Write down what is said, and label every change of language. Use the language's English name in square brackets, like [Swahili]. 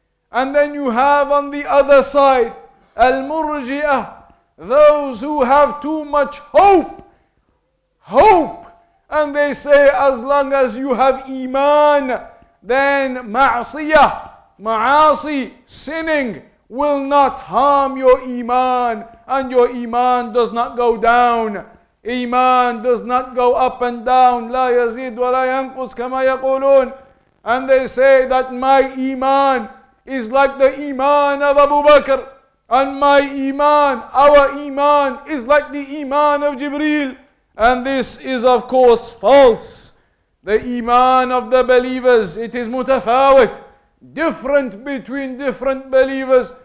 [English] And then you have on the other side, al-murji'ah, those who have too much hope. And they say, as long as you have iman, then ma'asiyah, ma'asi, sinning, will not harm your iman, and your iman does not go down. Iman does not go up and down. [Arabic] لا يزيد ولا ينقص كما يقولون. [English] And they say that my iman is like the iman of Abu Bakr, and my iman, our iman, is like the iman of Jibreel. And this is of course false. The iman of the believers, it is mutafawit, different between different believers.